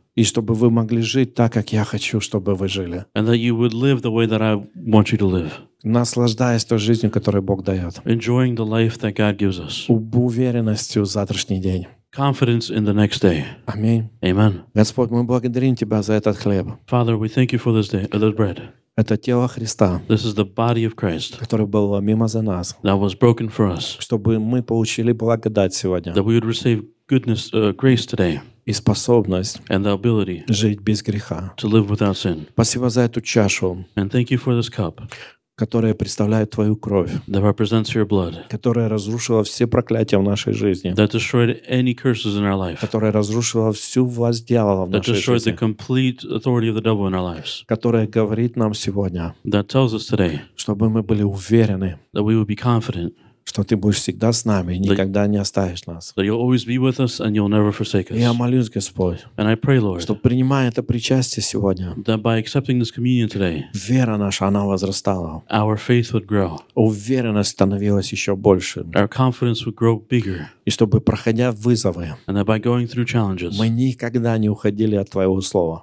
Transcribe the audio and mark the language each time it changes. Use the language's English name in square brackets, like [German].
[Russian] и чтобы вы могли жить так, как я хочу, чтобы вы жили, [English] and that you would live the way that I want you to live, [Russian] наслаждаясь той жизнью, которую Бог дает, [English] enjoying the life that God gives us, [Russian] уверенностью в завтрашний день, [English] confidence in the next day. [Russian] Аминь. [English] Amen. [Russian] Господь, мы благодарим Тебя за этот хлеб. [English] Father, we thank you for this day, this bread. [Russian] Это тело Христа, [English] this is the body of Christ, [Russian] которое было ломимо за нас, [English] that was broken for us, [Russian] чтобы мы получили благодать сегодня, [English] that we would receive goodness, grace today, [Russian] и способность, [English] and the ability, [Russian] жить без греха, [English] to live without sin. [Russian] Спасибо за эту чашу, [English] and thank you for this cup, [Russian] которая представляет Твою кровь, [English] that represents your blood, [Russian] которая разрушила все проклятия в нашей жизни, [English] that destroyed any curses in our life, [Russian] которая разрушила всю власть дьявола в нашей [English] destroyed [Russian] жизни, [English] the complete authority of the devil in our lives, [Russian] которая говорит нам сегодня, [English] that tells us today, [Russian] чтобы мы были уверены, [English] that we will be confident, [Russian] что Ты будешь всегда с нами и никогда не оставишь нас. [English] That You'll always be with us and You'll never forsake us. [Russian] Я молюсь, Господь, [English] and I pray, Lord, [Russian] что принимая это причастие сегодня, [English] that by accepting this communion today, [Russian] вера наша, она возрастала. [English] Our faith would grow. [Russian] Уверенность становилась еще больше. [English] Our confidence would grow bigger. [Russian] И чтобы, проходя вызовы, [English] and that by going through challenges, [Russian] мы никогда не уходили от Твоего Слова.